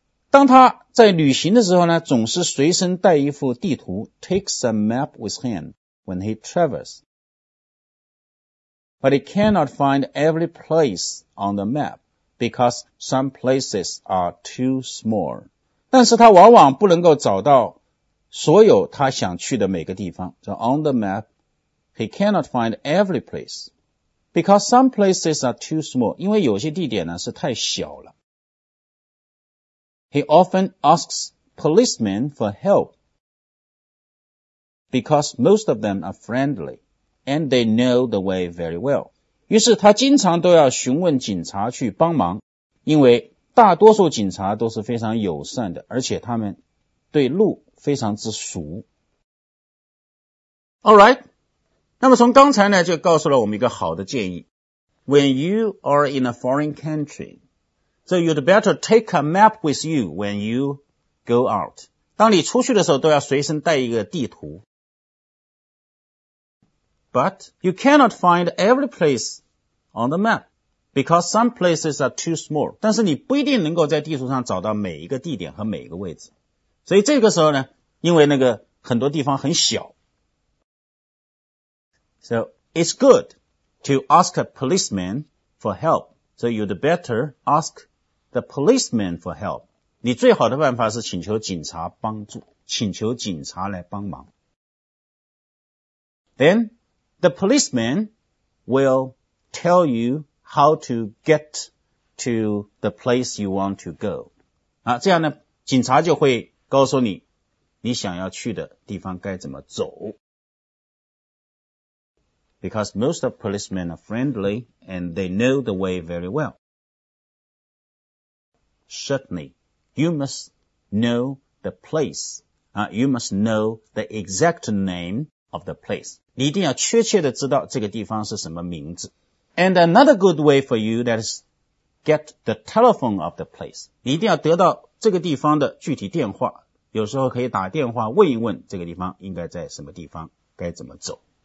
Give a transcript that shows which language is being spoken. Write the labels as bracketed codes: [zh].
[zh] 当他在旅行的时候呢，总是随身带一幅地图， [en] takes a map with him when he travels. But he cannot find every place on the map because some places are too small. [zh] 但是他往往不能够找到所有他想去的每个地方。 [en] So on the map, he cannot find every place because some places are too small. [zh] 因为有些地点呢是太小了。 [en] He often asks policemen for help because most of them are friendly and they know the way very well. [zh] 于是他经常都要询问警察去帮忙，因为大多数警察都是非常友善的，而且他们对路非常之熟。 [en] Alright, [zh] 那么从刚才呢就告诉了我们一个好的建议。 [en] When you are in a foreign country,So you'd better take a map with you when you go out. [zh] 当你出去的时候都要随身带一个地图。 [en] But you cannot find every place on the map because some places are too small. [zh] 但是你不一定能够在地图上找到每一个地点和每一个位置。所以这个时候呢，因为那个很多地方很小。 [en] So it's good to ask a policeman for help. So you'd better ask the policeman for help. [zh] 你最好的办法是请求警察帮助，请求警察来帮忙。 [en] Then, the policeman will tell you how to get to the place you want to go. [zh] 啊，这样呢，警察就会告诉你，你想要去的地方该怎么走。 [en] Because most of policemen are friendly and they know the way very well. Certainly, you must know the place. You must know the exact name of the place. [zh] 你一定要确切地知道这个地方是什么名字。 [en] And another good way for you, that is get the telephone of the place. [zh] 你一定要得到这个地方的具体电话。有时候可以打电话问一问这个地方应该在什么地方，该怎么走。